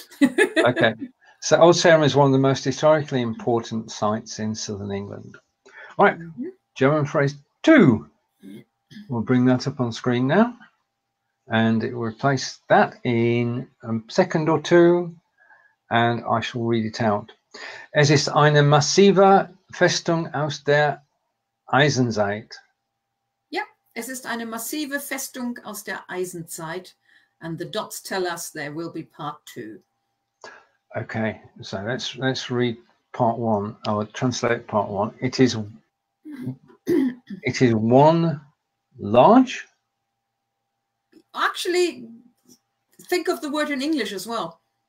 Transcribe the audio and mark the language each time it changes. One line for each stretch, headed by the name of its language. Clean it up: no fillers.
English: Okay. So Old Sarum is one of the most historically important sites in southern England. All right, German phrase two. We'll bring that up on screen now. And it will replace that in a second or two. And I shall read it out.
German: Es ist eine massive Festung aus der Eisenzeit. Yeah, es ist eine massive Festung aus der Eisenzeit.
English: And the dots tell us there will be part two. Okay, so let's read part one. I'll translate part one. It is It is one large. Actually, think of the word in English as well.